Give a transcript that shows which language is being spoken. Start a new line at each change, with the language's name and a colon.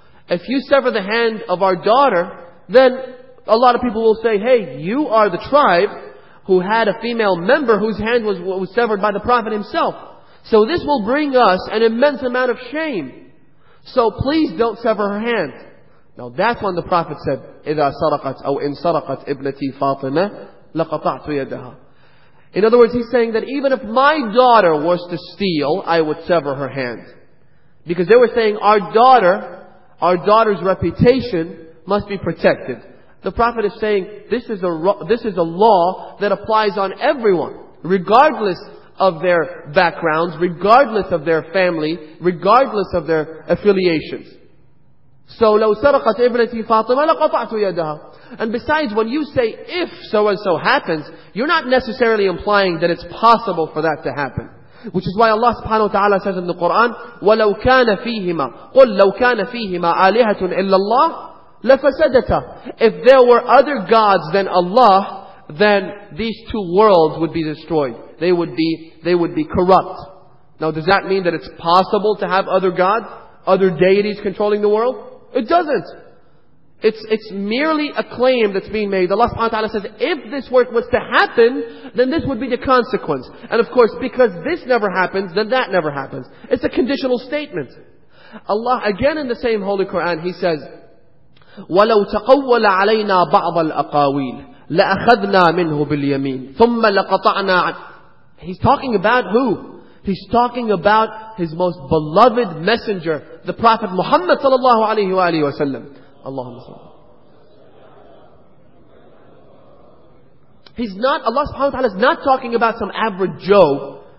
English: If you sever the hand of our daughter, then a lot of people will say, hey, you are the tribe who had a female member whose hand was severed by the Prophet himself. So this will bring us an immense amount of shame. So please don't sever her hand. Now that's when the Prophet said,
Arabic: إِذَا سَرَقَتْ أَوْ إِن سَرَقَتْ إِبْنَتِي فَاطِمَةً لَقَطَعْتُ يَدَهَا.
English: In other words, he's saying that even if my daughter was to steal, I would sever her hand. Because they were saying, our daughter's reputation must be protected. The Prophet is saying, this is a law that applies on everyone, regardless of their backgrounds, regardless of their family, regardless of their affiliations. So,
Arabic: لو سرقت ابنتي فاطمة لقطعت يدها.
English: And besides, when you say, if so and so happens, you're not necessarily implying that it's possible for that to happen. Which is why Allah subhanahu wa ta'ala says in the Quran,
Arabic: وَلَوْ كَانَ فِيهِمَا قُلْ لَوْ كَانَ فِيهِمَا آلِهَةٌ إِلَّا اللَّهِ لَفَسَدَتَ.
English: If there were other gods than Allah, then these two worlds would be destroyed. They would be corrupt. Now does that mean that it's possible to have other gods, other deities controlling the world? It doesn't. It's merely a claim that's being made. Allah subhanahu wa ta'ala says, if this work was to happen, then this would be the consequence. And of course, because this never happens, then that never happens. It's a conditional statement. Allah, again in the same Holy Quran, He says,
Arabic: وَلَوْ تَقَوَّلَ عَلَيْنَا بَعْضَ الْأَقَاوِيلِ لَأَخَذْنَا مِنْهُ بِالْيَمِينِ ثُمَّ لَقَطَعْنَا.
English: He's talking about who? He's talking about His most beloved messenger, the Prophet Muhammad sallallahu alayhi wa alayhi wa sallam. Allahumma salli. Allah subhanahu wa ta'ala is not talking about some average Joe.